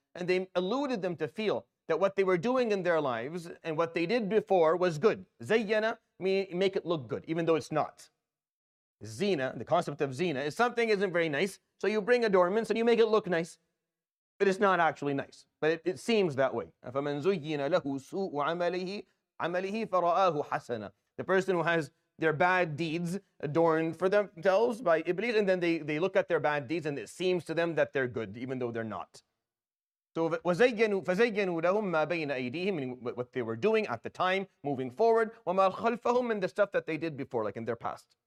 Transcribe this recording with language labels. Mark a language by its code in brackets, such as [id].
[en] And they alluded them to feel that what they were doing in their lives and what they did before was good. زَيَّنَا means make it look good, even though it's not. Zina, the concept of zina, is something isn't very nice, so you bring adornments and you make it look nice, but it's not actually nice. But it seems that way. [ar] فَمَنْ زُيِّنَ لَهُ سُوءُ عَمَلِهِ فَرَآهُ حَسَنًا. [en] The person who has their bad deeds adorned for themselves by Iblis, and then they look at their bad deeds and it seems to them that they're good, even though they're not. So [ar] فَزَيَّنُوا لَهُمْ مَا بَيْنَ أَيْدِيهِمْ, [en] meaning what they were doing at the time, moving forward, [ar] وَمَا خَلْفَهُمْ, [en] and the stuff that they did before, like in their past.